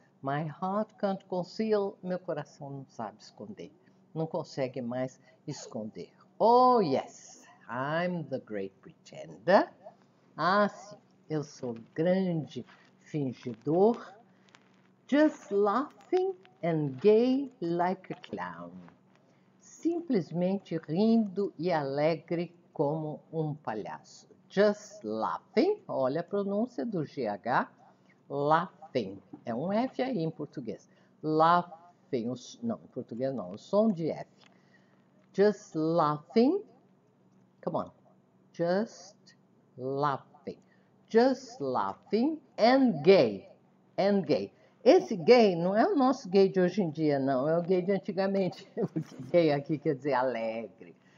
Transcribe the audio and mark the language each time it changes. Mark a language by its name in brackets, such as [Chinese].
[English] My heart can't conceal, [Portuguese] meu coração não sabe esconder, não consegue mais esconder. [English] Oh, yes, I'm the great pretender. [Portuguese] Ah, sim, eu sou grande fingidor. [English] Just laughing and gay like a clown. [Portuguese] Simplesmente rindo e alegre como um palhaço. [English] Just laughing, [Portuguese] olha a pronúncia do GH. Laughing, é um F aí em português. Laughing, não, em português não, o som de F. [English] Just laughing, come on, just laughing, just laughing and gay, and gay. [Portuguese] Esse gay não é o nosso gay de hoje em dia, não, é o gay de antigamente, porque gay aqui quer dizer alegre.